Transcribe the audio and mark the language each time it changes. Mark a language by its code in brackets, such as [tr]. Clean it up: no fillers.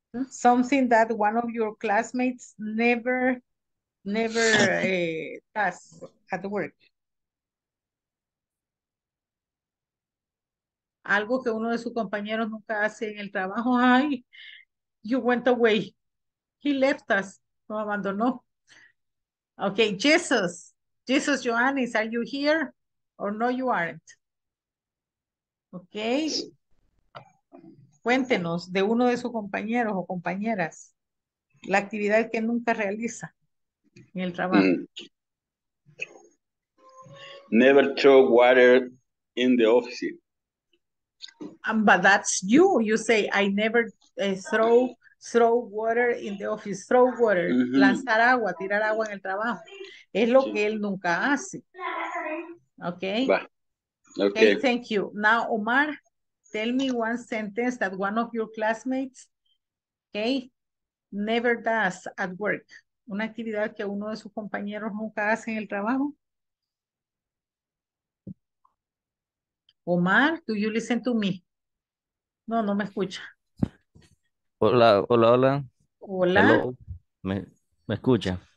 [en] Something that one of your classmates never does at work. [es] Algo que uno de sus compañeros nunca hace en el trabajo. [en] Ay, you went away. He left us. [es] No abandonó. [en] Okay, Jesus. Jesus, Johannes, are you here? Or no, you aren't. Okay. [es] Cuéntenos de uno de sus compañeros o compañeras. La actividad que nunca realiza en el trabajo. [en] Never throw water in the office. But that's you. You say, I never throw water in the office. Throw water. [es] Mm-hmm. Lanzar agua, tirar agua en el trabajo. Es lo que él nunca hace. Okay? [en] Okay. Okay. Thank you. Now, Omar, tell me one sentence that one of your classmates, okay, never does at work. [es] Una actividad que uno de sus compañeros nunca hace en el trabajo. [en] Omar, do you listen to me? [es] No, no me escucha. Hola, hola, hola. Hola. ¿Me escucha?